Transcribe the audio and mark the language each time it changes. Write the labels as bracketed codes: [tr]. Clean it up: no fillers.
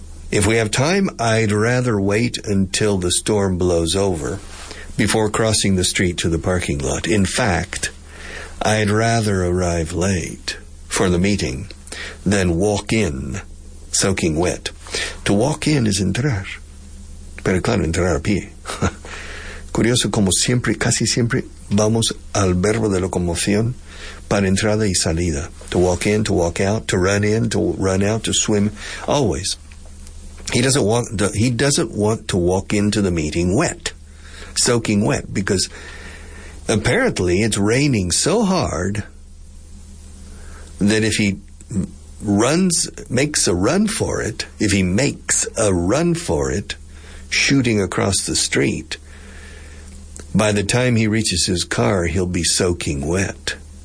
[en] If we have time, I'd rather wait until the storm blows over before crossing the street to the parking lot. In fact, I'd rather arrive late for the meeting than walk in soaking wet. To walk in is entrar. [es] Pero claro, entrar a pie. Curioso, como siempre, casi siempre, vamos al verbo de locomoción para entrada y salida. [en] To walk in, to walk out, to run in, to run out, to swim. Always. He doesn't want to walk into the meeting wet. Soaking wet, because apparently it's raining so hard that if he makes a run for it, shooting across the street, by the time he reaches his car, he'll be soaking wet.